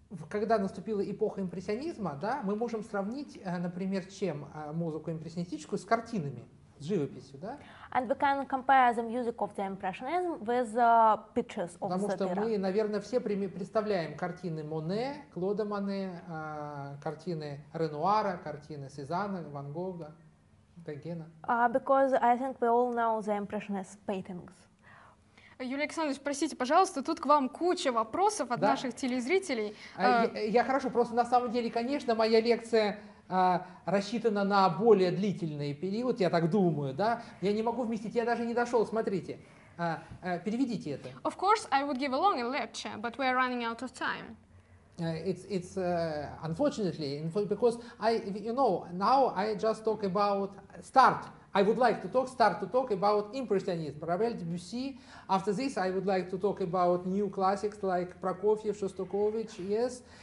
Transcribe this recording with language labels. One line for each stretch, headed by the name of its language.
Russian: Когда наступила эпоха импрессионизма, да, мы можем сравнить, например, чем музыку импрессионистическую с картинами, с живописью, да?
English: And we can compare the music of the impressionism with the pictures of the era.
Russian: Потому что мы, наверное, все представляем картины Моне, Клода Моне, картины Ренуара, картины Сезанна, Ван Гога, Гогена.
English: Because I think we all know the impressionist paintings.
Russian: Юлия Александровна, простите, пожалуйста, тут к вам куча вопросов от наших телезрителей. Я хорошо, просто на самом деле, конечно, моя лекция рассчитана на более длительный период, я так думаю, да? Я не могу вместить, я даже не дошел, смотрите. Переведите это.
English: Of course, I would give a longer lecture, but we are running out of time. It's unfortunately, because now I just talk about start. I would like to start to talk about impressionism, Ravel, Debussy. After this, I would like to talk about new classics like Prokofiev, Shostakovich, yes.